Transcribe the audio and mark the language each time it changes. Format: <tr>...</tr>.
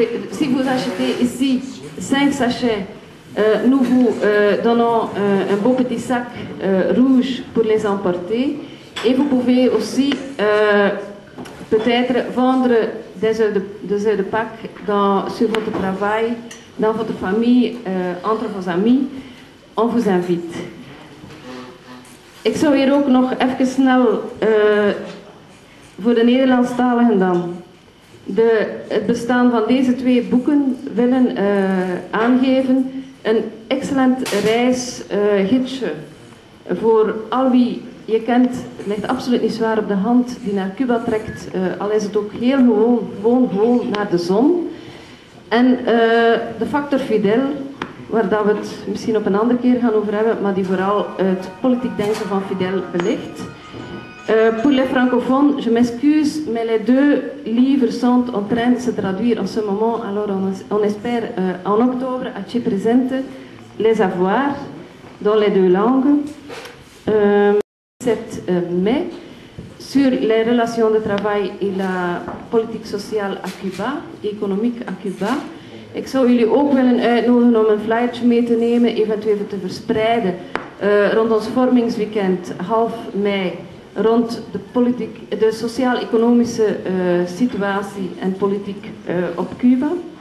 <fr>Si vous achetez ici 5 sachets, nous vous donnons un beau petit sac rouge pour les emporter. Et vous pouvez aussi peut-être vendre des œufs de Pâques sur votre travail, dans votre famille, entre vos amis. On vous invite.</fr> <nl>Ik zou hier ook nog even snel voor de Nederlandstaligen dan het bestaan van deze 2 boeken willen aangeven. Een excellent reisgidsje voor al wie je kent, ligt absoluut niet zwaar op de hand, die naar Cuba trekt, al is het ook heel gewoon naar de zon. En de factor Fidel, waar dat we het misschien op een andere keer gaan over hebben, maar die vooral het politiek denken van Fidel belicht.</nl> <fr>Pour les francophones, je m'excuse, mais les deux livres sont en train de se traduire en ce moment. Alors on espère en octobre à te présenter les avoir dans les deux langues. 7 mai, sur les relations de travail et la politique sociale à Cuba, économique à Cuba.</fr> <nl>Ik zou jullie ook willen uitnodigen om een flyertje mee te nemen, eventueel te verspreiden. Rond ons vormingsweekend, half mei, rond de sociaal-economische situatie en politiek op Cuba.</nl>